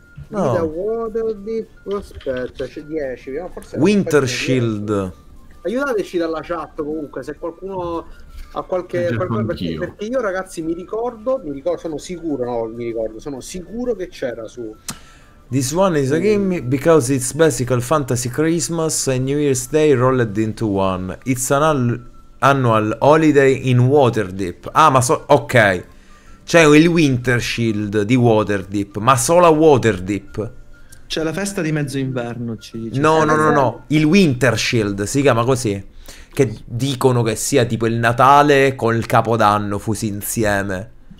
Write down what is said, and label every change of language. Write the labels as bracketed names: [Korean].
[Italian] No. Aspetta, c'è 10. Winter Shield. aiutateci dalla chat comunque, se qualcuno ha qualche, perché io ragazzi mi ricordo sono sicuro che c'era su [English] This one is a game because it's basically fantasy Christmas and New Year's Day rolled into one. It's an annual holiday in Waterdeep. [Italian] Ah, ma ok. C'è il Winter Shield di Waterdeep, ma solo a Waterdeep. C'è la festa di mezzo inverno, ci dice. No. Il Winter Shield si chiama così. Che dicono che sia tipo il Natale con il Capodanno fusi insieme.